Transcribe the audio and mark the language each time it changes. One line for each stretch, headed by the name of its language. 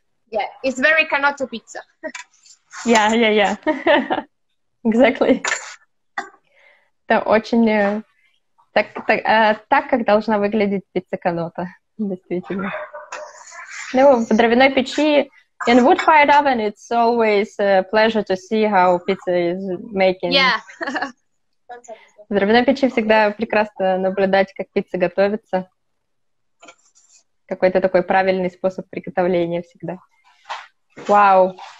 English: Yeah, it's very canotto pizza. Yeah. Exactly.
Russian: Это очень... Так, как должна выглядеть пицца канотто, действительно. Ну, в дровяной печи...
English: In wood-fired oven, it's always a pleasure to see how pizza is making. Yeah.
Russian: В дровяной печи всегда прекрасно наблюдать, как пицца готовится. Какой-то такой правильный способ приготовления всегда.
English: Wow.